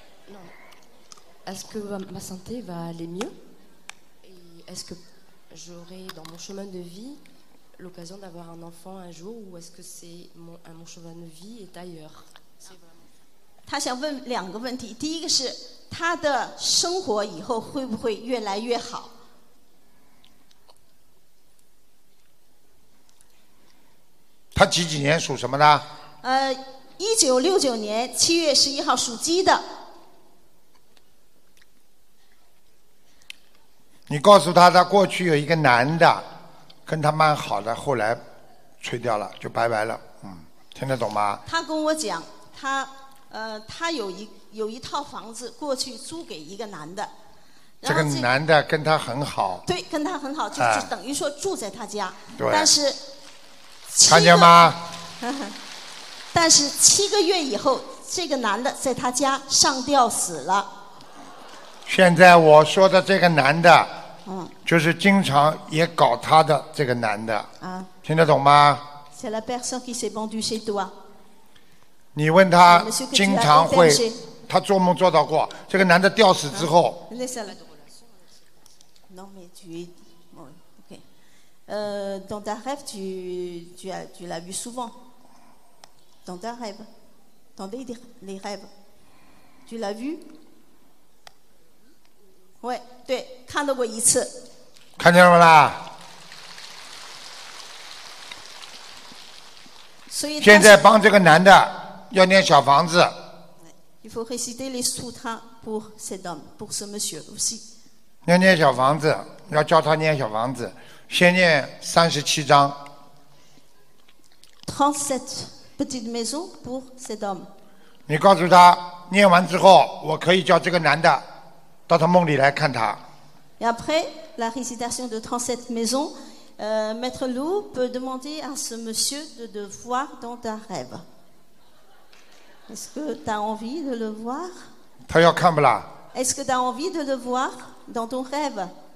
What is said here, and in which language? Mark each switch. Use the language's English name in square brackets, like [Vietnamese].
[French] Non. Est-ce que ma santé va aller mieux? Est-ce que j'aurai dans mon chemin de vie l'occasion d'avoir un enfant un jour ou est-ce que c'est mon chemin de vie est ailleurs? [Chinese] 他想问两个问题，第一个是他的生活以后会不会越来越好？他几几年属什么的？ 1969年7月11号属鸡的。你告诉他，他过去有一个男的跟他蛮好的，后来吹掉了，就拜拜了。听得懂吗？他跟我讲，他有一套房子过去租给一个男的，这个男的跟他很好，对，跟他很好，就是等于说住在他家，对，但是看见吗，但是七个月以后这个男的在他家上吊死了。现在我说的这个男的，嗯，就是经常也搞他的这个男的啊，听得懂吗？ [French] c'est la personne qui s'est vendu chez toi。 [Chinese] 你问他经常会，他做梦做到过这个男的吊死之后， [French] non mais tu ok dans ta rêve tu l'as vu souvent dans ta rêve dans les rêves tu l'as vu ouais [Chinese] 对，看到过一次，看见了吗？所以现在帮这个男的要念小房子。 [French] Il faut réciter les sutras pour cet homme, pour ce monsieur aussi. [Chinese] 要念小房子，要教他念小房子，先念三十七章。 [French] 37 petites maisons pour cet homme. [Chinese] 你告诉他，念完之后，我可以叫这个男的到他梦里来看他。 [French] Et après la récitation de 37 maisons, Maître Lou peut demander à ce monsieur de voir dans un rêve. Est-ce que tu as envie de le voir? [Chinese] 他要看不啦？ [French] Est-ce que tu as envie de le voir dans ton rêve?